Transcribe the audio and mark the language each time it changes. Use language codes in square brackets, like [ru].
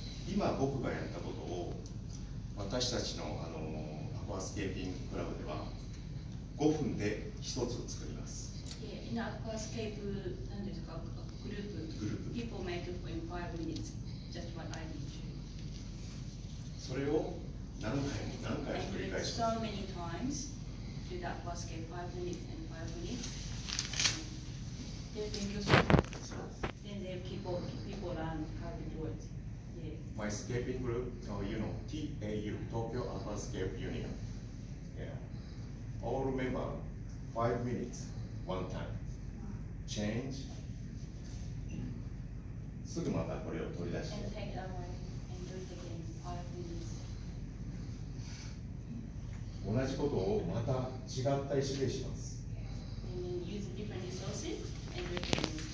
[ja] 今僕がやったことを私たちの、アクアスケーピングクラブでは5分で1つ作ります。 [en] In Aquascape, [ja] なんですか、グループ。グループ。 [en] People make it in 5 minutes, just what I need to. [ja] それを何回も何回も繰り返します [en] So many times, do the Aquascape 5 minutes and 5 minutes. They're thinking so much. Then they people learn how to do it. My scaping group, TAU, Tokyo Aquascape Union. Yeah. All remember, 5 minutes, one time. Change. [ja] すぐまたこれを取り出して。 [en] And take it away and do it again, 5 minutes. [ja] 同じことをまた違った石でします。 [en] And then use different resources and do it again.